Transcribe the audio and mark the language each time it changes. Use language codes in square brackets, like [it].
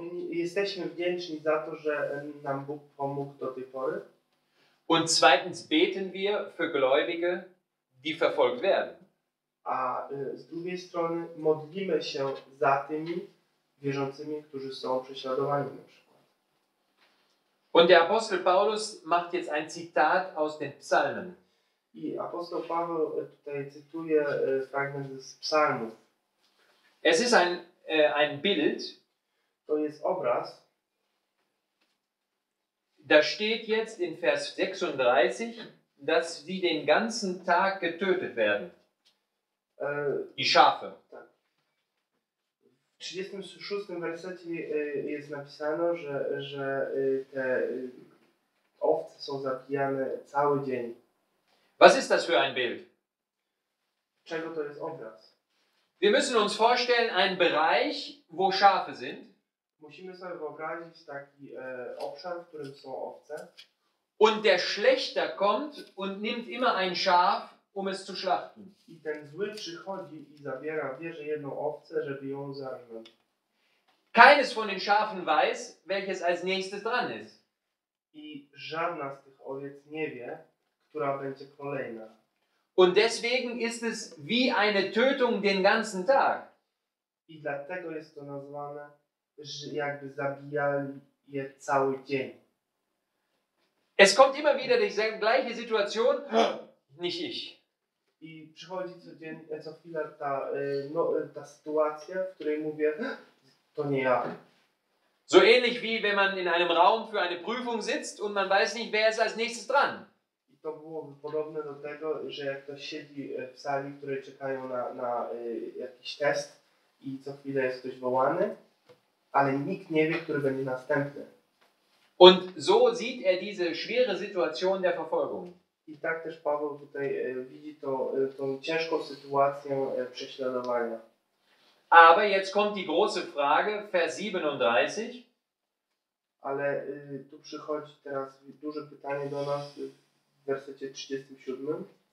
[pl] Jesteśmy wdzięczni za to, że nam Bóg pomógł do tej pory. [de] Und zweitens beten wir für Gläubige, die verfolgt werden. [pl] A z drugiej strony modlimy się za tymi wierzącymi, którzy są prześladowani na przykład. [de] Und der Apostel Paulus macht jetzt ein Zitat aus den Psalmen. [pl] I apostoł Paweł tutaj cytuje fragment z psalmów. [de] Es ist ein Bild. [pl] To jest obraz. [de] Da steht jetzt in Vers 36, dass sie den ganzen Tag getötet werden. Die Schafe. [pl] Tak. W 36. wersecie jest napisane, że te owce są zabijane cały dzień. [de] Was ist das für ein Bild? [pl] Czego to jest obraz? [de] Wir müssen uns vorstellen, ein Bereich, wo Schafe sind. [pl] Musimy sobie wyobrazić taki obszar, w którym są owce. [de] Und der Schlechter kommt und nimmt immer ein Schaf, um es zu schlachten. [pl] I ten zły przychodzi i zabiera, bierze jedną owcę, żeby ją zarżnąć. [de] Keines von den Schafen weiß, welches als nächstes dran ist. [pl] I żadna z tych owiec nie wie, która będzie kolejna. [de] Und deswegen ist es wie eine Tötung den ganzen Tag. [pl] I dlatego jest to nazwane, że jakby zabijali je cały dzień. [de] Es kommt immer wieder die gleiche Situation, nicht ich. [pl] I przychodzi co chwilę ta sytuacja, w której mówię, to nie ja. [de] So ähnlich wie wenn man in einem Raum für eine Prüfung sitzt und man weiß nicht, wer ist als nächstes dran. [pl] I to byłoby podobne do tego, że jak ktoś siedzi w sali, które czekają na jakiś test i co chwilę jest ktoś wołany, ale nikt nie wie, który będzie następny. [de] Und so sieht er diese schwere Situation der Verfolgung. [pl] I tak też Paweł tutaj widzi tą ciężką sytuację prześladowania. [de] Aber jetzt kommt die große Frage, Vers 37. [pl] Ale tu przychodzi teraz duże pytanie do nas w wersecie 37.